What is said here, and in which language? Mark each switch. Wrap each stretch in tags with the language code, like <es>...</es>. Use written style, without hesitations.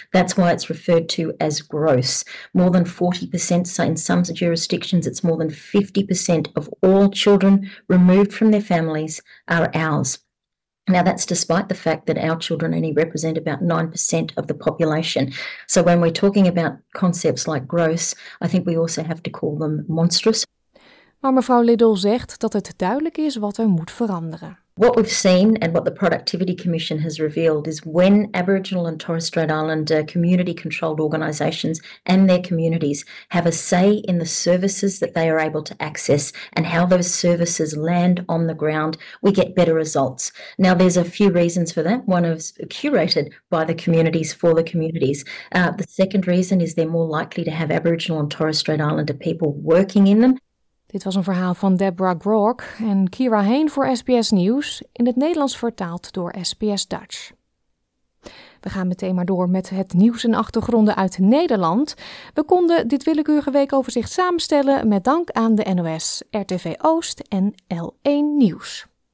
<en>That's why it's referred to as gross. More than 40%, in some jurisdictions, it's more than 50% of all children removed from their families are ours. Now, that's despite the fact that our children only represent about 9% of the population. So when we're talking about concepts like gross, I think we also have to call them monstrous.</en> <nl>Maar mevrouw Liddell zegt dat het duidelijk is wat er moet veranderen.</nl> <en>What we've seen and what the Productivity Commission has revealed is when Aboriginal and Torres Strait Islander community-controlled organisations and their communities have a say in the services that they are able to access and how those services land on the ground, we get better results. Now, there's a few reasons for that. One is curated by the communities for the communities. The second reason is they're more likely to have Aboriginal and Torres Strait Islander people working in them.</en> <nl>Dit was een verhaal van Deborah Grok en Kira Heen voor SBS Nieuws, in het Nederlands vertaald door SBS Dutch. We gaan meteen maar door met het nieuws en achtergronden uit Nederland. We konden dit willekeurige weekoverzicht samenstellen met dank aan de NOS, RTV Oost en L1 Nieuws.</nl>